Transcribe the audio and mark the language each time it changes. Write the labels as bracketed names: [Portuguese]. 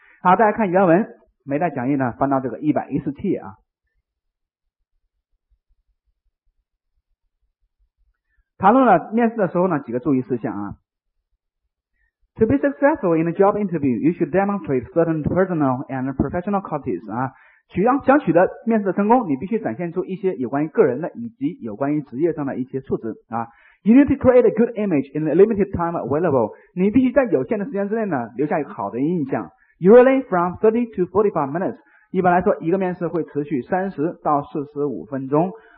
[Chinese] 好大家看原文没带讲义呢翻到这个117页啊。谈论了面试的时候呢几个注意事项啊。 [English] To be successful in a job interview, you should demonstrate certain personal and professional qualities 啊。 [Chinese] 想取得面试的成功你必须展现出一些有关于个人的以及有关于职业上的一些素质啊。 [English] You need to create a good image in a limited time available. [Chinese] 你必须在有限的时间之内呢留下一个好的印象。 [English] Usually from 30 to 45 minutes. [Chinese] 一般来说一个面试会持续30到45分钟。